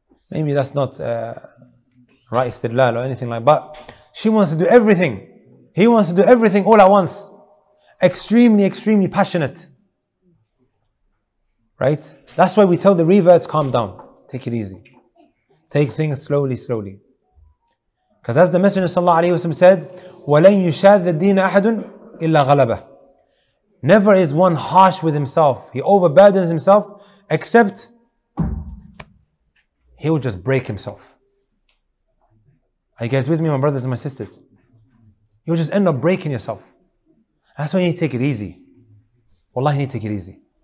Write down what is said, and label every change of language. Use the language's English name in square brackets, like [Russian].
[English] Maybe that's not right istidlal or anything like that. She wants to do everything. He wants to do everything all at once. Extremely, extremely passionate. Right? That's why we tell the reverts, calm down. Take it easy. Take things slowly, slowly. Because as the Messenger ﷺ said, [Arabic] وَلَنْ يُشَادَ الدِّينَ أَحَدٌ إِلَّا غَلَبَهُ. [English] Never is one harsh with himself. He overburdens himself, except he will just break himself. Are you guys with me, my brothers and my sisters? You'll just end up breaking yourself. That's why you need to take it easy. Wallahi, you need to take it easy.